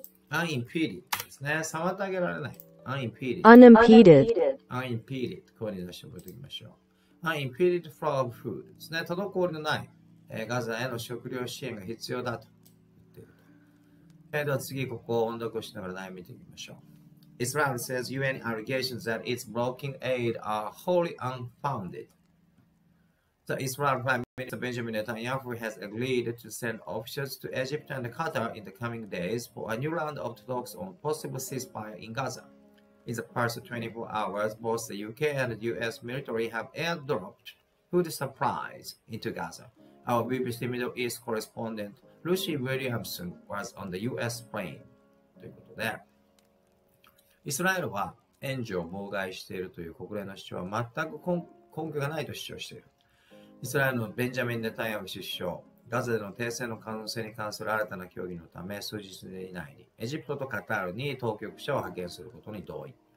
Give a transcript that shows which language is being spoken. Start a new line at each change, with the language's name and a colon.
Japanese: Unimpeded ですね。妨げられない。
English: Unimpeded
Japanese: Unimpeded ここに出して覚えておきましょう。
English: Unimpeded flow of food
Japanese: ですね。滞りのない、ガザへの食料支援が必要だと言っている。では次ここを音読しながら内容見ていきましょう。
English: Israel says UN allegations that it's blocking aid are wholly unfounded. The Israel Prime Minister Benjamin Netanyahu has agreed to send officials to Egypt and Qatar in the coming days for a new round of talks on possible ceasefire in Gaza. In the past 24 hours, both the UK and the US military have airdropped food supplies into Gaza. Our BBC Middle East correspondent Lucy Williamson was on the US plane.
Japanese: ということで、イスラエルは援助を妨害しているという国連の主張は全く根拠がないと主張している。イスラエルのベンジャミン・ネタニヤフ首相、ガザでの停戦の可能性に関する新たな協議のため、数日以内にエジプトとカタールに当局者を派遣することに同意。